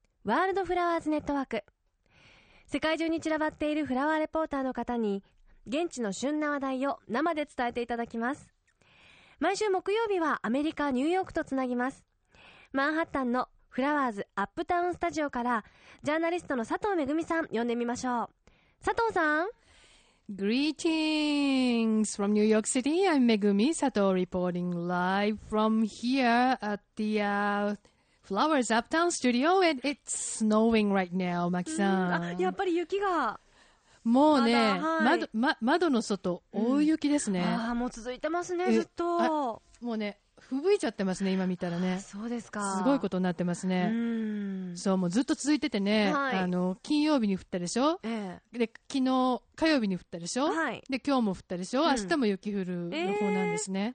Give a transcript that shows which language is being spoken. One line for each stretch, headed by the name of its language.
Japanese: ワールドフラワーズネットワーク。世界中に散らばっているフラワーレポーターの方に現地の旬な話題を生で伝えていただきます。毎週木曜日はアメリカ・ニューヨークとつなぎます。マンハッタンのフラワーズアップタウンスタジオからジャーナリストの佐藤めぐみさん呼んでみましょう。佐藤さん、
English: Greetings from New York City. I'm Megumi Sato reporting live from here at the Flowers Uptown Studio and it's snowing right now, Maki-san.
Japanese: やっぱり雪が。もうね、窓の外、大雪ですね。ああ、もう続いてますね、ずっと。もうね、ふぶいちゃってますね、今見たらね。そうですか。すごいことになってますね。そう、もうずっと続いててね、はい、金曜日に降ったでしょ、で、昨日、火曜日に降ったでしょ、で、今日も降ったでしょ、明日も雪降る予報なんですね。